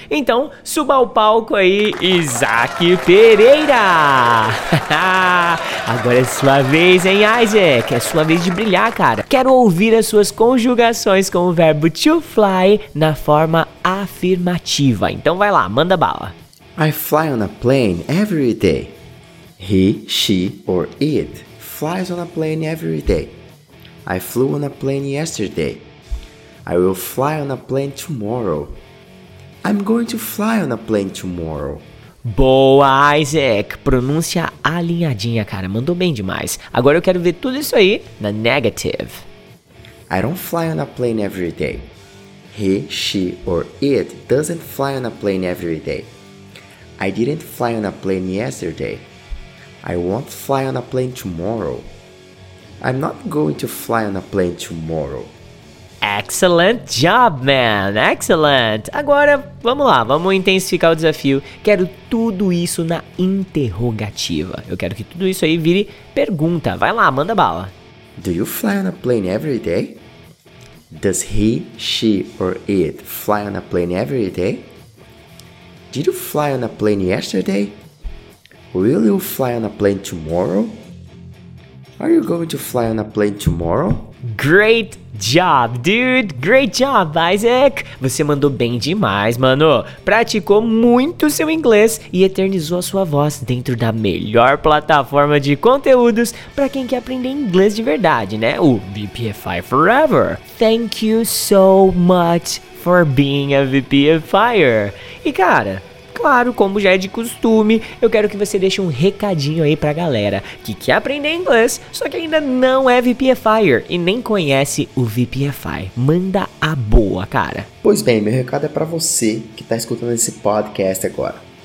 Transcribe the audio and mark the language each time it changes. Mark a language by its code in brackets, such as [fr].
[pt] Então, suba ao palco aí, Isaac Pereira! Agora é sua vez, hein, Isaac? É sua vez de brilhar, cara. Quero ouvir as suas conjugações com o verbo to fly na forma afirmativa. Então vai lá, manda bala. [en] I fly on a plane every day. He, she, or it flies on a plane every day. I flew on a plane yesterday. I will fly on a plane tomorrow. I'm going to fly on a plane tomorrow. [pt] Boa, Isaac! Pronúncia alinhadinha, cara. Mandou bem demais. Agora eu quero ver tudo isso aí na negative. [en] I don't fly on a plane every day. He, she, or it doesn't fly on a plane every day. I didn't fly on a plane yesterday. I won't fly on a plane tomorrow. I'm not going to fly on a plane tomorrow. Excellent job, man! Excellent! [pt] Agora, vamos lá, vamos intensificar o desafio. Quero tudo isso na interrogativa. Eu quero que tudo isso aí vire pergunta. Vai lá, manda bala. [en] Do you fly on a plane every day? Does he, she, or it fly on a plane every day? Did you fly on a plane yesterday? Will you fly on a plane tomorrow? Are you going to fly on a plane tomorrow? Great job, dude! Great job, Isaac! [pt] Você mandou bem demais, mano! Praticou muito seu inglês e eternizou a sua voz dentro da melhor plataforma de conteúdos para quem quer aprender inglês de verdade, né? O VPFI Forever! [en] Thank you so much for being a VPFier! [pt] E cara, claro, como já é de costume, eu quero que você deixe um recadinho aí pra galera que quer aprender inglês, só que ainda não é VPFier e nem conhece o VPFI. Manda a boa, cara. Pois bem, meu recado é pra você que tá escutando esse podcast agora.